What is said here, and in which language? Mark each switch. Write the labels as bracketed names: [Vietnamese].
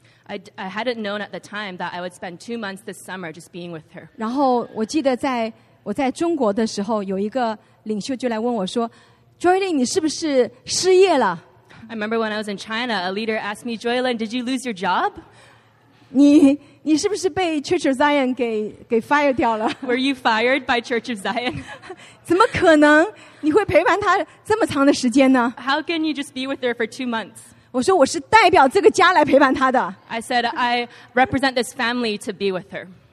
[English] I hadn't known at the time that I would spend 2 months this summer just being with her. [Chinese] 然后我记得在我在中国的时候有一个领袖就来问我说, Joylin,你是不是失业了? [English] I remember when I was in China, a leader asked me, Joylin, did you lose your job? [Chinese] 你是不是被 Church of Zion给fire掉了? [English] Were you fired by Church of Zion? [Chinese] 怎么可能你会陪伴他这么长的时间呢? [English] How can you just be with her for 2 months? [Chinese] 我说我是代表这个家来陪伴他的。 [English] I said I represent this family to be with her.